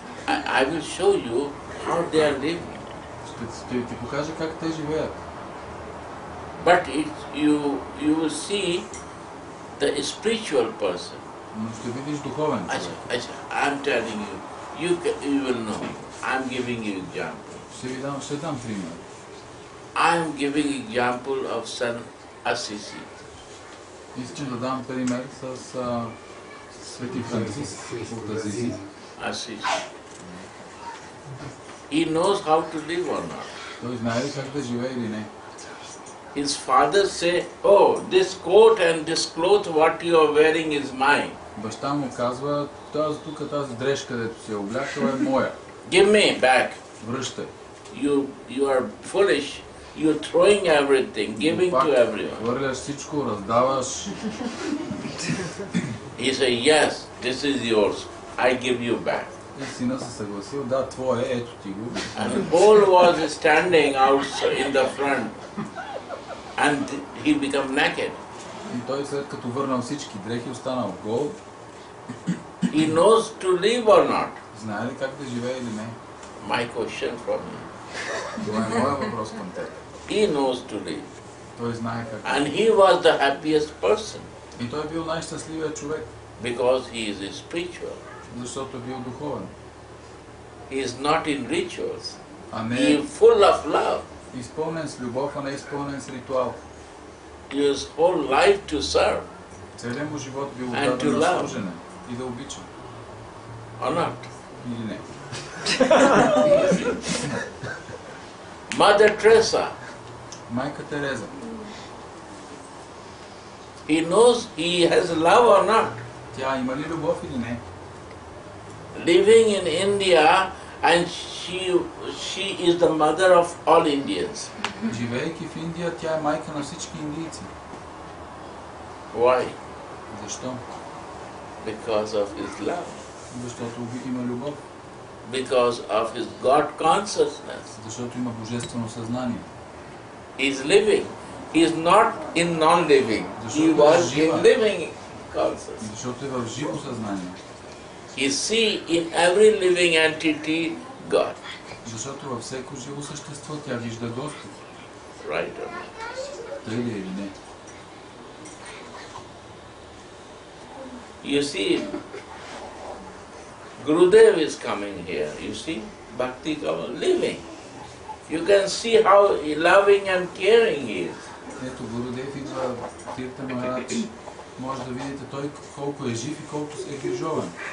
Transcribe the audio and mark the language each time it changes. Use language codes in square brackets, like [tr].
[en] I will show you how they are living. [bg] Ще ти покажа как те живеят. [en] But you will see the spiritual person. [bg] Но ще видиш духовен човек. [en] I'm telling you. You will know. I'm giving you example. [bg] Ще дам пример. [en] I am giving example of San Assisi. [bg] Искам да дам пример с Свети Франциск от Асизи. Асизи. [en] He knows how to live or not. [bg] Той знае как да живее или не. [en] His father say, oh, this coat and this cloth what you are wearing is mine. [bg] Баща му казва, тази дрешка, дето се облякал, е моя. [en] Give me back. [bg] Връщай. [en] You are foolish. You are throwing everything, giving to everyone. [bg] Хвърляш всичко, раздаваш. [en] He said, yes, this is yours. I give you back. [bg] И сина се съгласил, да, твое, ето ти го. [en] And Paul was standing out in the front. And he became naked. [bg] И той след като върнал всички дрехи, останал гол. [en] He knows to live or not. [bg] Знае ли как да живее или не? [en] My question from him. [bg] Това е моя въпрос към теб. [en] He knows to live. [bg] Той знае как. [en] And he was the happiest person. [bg] И той е бил най-щастливият човек. [en] Because he is spiritual. [bg] Защото бил духовен. [en] He is not in rituals. [bg] А не. [en] He is full of love. [bg] Изпълнен с любов, а не изпълнен с ритуал. [en] His whole life to serve. [bg] Целият му живот бил отдаден на служене и да обича. [en] Or not? [bg] Или не. [en] Mother Teresa. [bg] Майка Тереза. [en] He knows he has love or not. [bg] Тя има ли любов или не? [en] Living in India and she is the mother of all Indians. [bg] Живейки в Индия, тя е майка на всички индийци. [en] Why? [bg] Защо? [en] Because of his love. [bg] Защото има любов. [en] Because of his God consciousness. [bg] Защото има божествено съзнание. [en] He is living. He is not in non-living. He was in living consciousness. [bg] Защото е в живо съзнание. [en] He see in every living entity God. [bg] Защото във всяко живо същество тя вижда Господ. [en] Right or not? [bg] Тъй ли е или не? [en] You see, Gurudev is coming here, you see, Bhakti is living. You can see how loving and caring he is. [bg] Ето Гурудев идва Тирта Махарадж. Може да видите той колко е жив и колко е грижован.